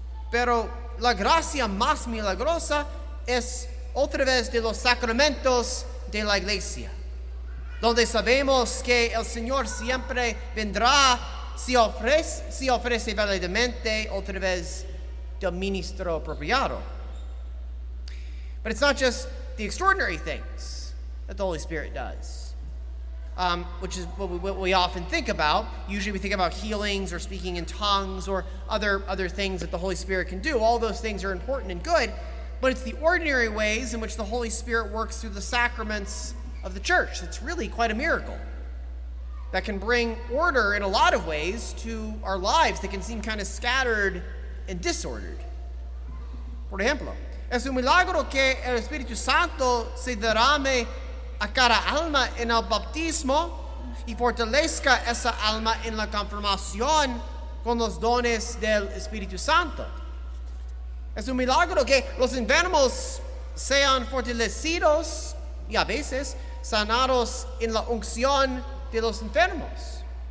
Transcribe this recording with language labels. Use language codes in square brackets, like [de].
[es] Pero la gracia más milagrosa es otra vez de los sacramentos de la iglesia, donde sabemos que el Señor siempre vendrá si ofrece validamente otra vez del ministro apropiado. [en] But it's not just the extraordinary things that the Holy Spirit does, which is what we often think about. Usually we think about healings or speaking in tongues or other things that the Holy Spirit can do. All those things are important and good, but it's the ordinary ways in which the Holy Spirit works through the sacraments of the church. It's really quite a miracle that can bring order in a lot of ways to our lives that can seem kind of scattered and disordered. [es] Por ejemplo, es un milagro que el Espíritu Santo se derrame a cada alma en el bautismo y fortalezca esa alma en la confirmación con los dones del Espíritu Santo. Es un milagro que los enfermos sean fortalecidos y a veces sanados en la unción de los enfermos.